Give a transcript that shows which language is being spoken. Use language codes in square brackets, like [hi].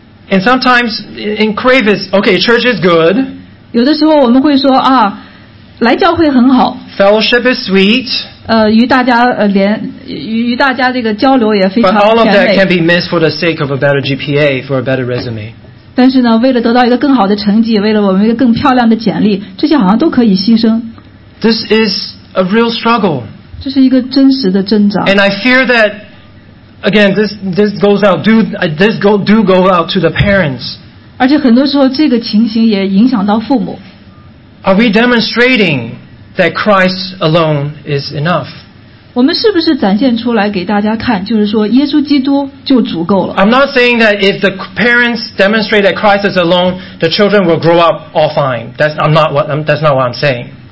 [en] And sometimes in crave is, okay, church is good. [zh] 有的时候我们会说,来教会很好。 [en] Fellowship is sweet. [zh] 与大家这个交流也非常甜美。 [en] But all of that can be missed for the sake of a better GPA, for a better resume. [zh] 但是呢,为了得到一个更好的成绩,为了我们一个更漂亮的简历,这些好像都可以牺牲。 [en] This is a real struggle. [zh] 这是一个真实的挣扎。 [en] And I fear that again, this goes out to the parents. [zh] 而且很多时候这个情形也影响到父母。 [en] Are we demonstrating that Christ alone is enough? [zh] 我们是不是展现出来给大家看,就是说耶稣基督就足够了。 [en] I'm not saying that if the parents demonstrate that Christ is alone, the children will grow up all fine. That's not what I'm saying.